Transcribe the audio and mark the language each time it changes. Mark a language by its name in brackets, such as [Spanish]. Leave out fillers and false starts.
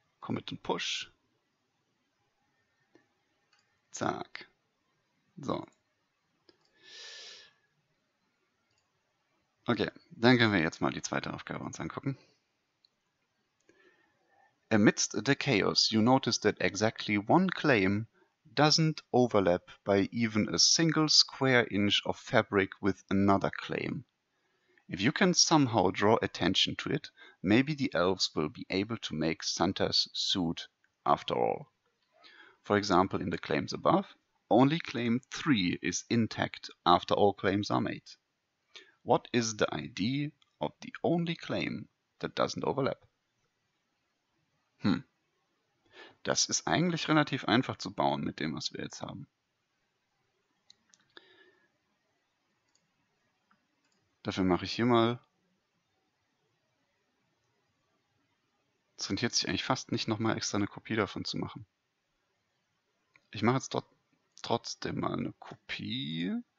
[German] Commit und Push. Zack. So. Okay, dann können wir jetzt mal die zweite Aufgabe uns angucken. [English] Amidst the chaos, you notice that exactly one claim doesn't overlap by even a single square inch of fabric with another claim. If you can somehow draw attention to it, maybe the elves will be able to make Santa's suit after all. For example, in the claims above, only claim 3 is intact after all claims are made. What is the ID of the only claim that doesn't overlap? [German] Das ist eigentlich relativ einfach zu bauen mit dem, was wir jetzt haben. Dafür mache ich hier mal. Es rentiert sich eigentlich fast nicht, nochmal extra eine Kopie davon zu machen. Ich mache jetzt trotzdem mal eine Kopie.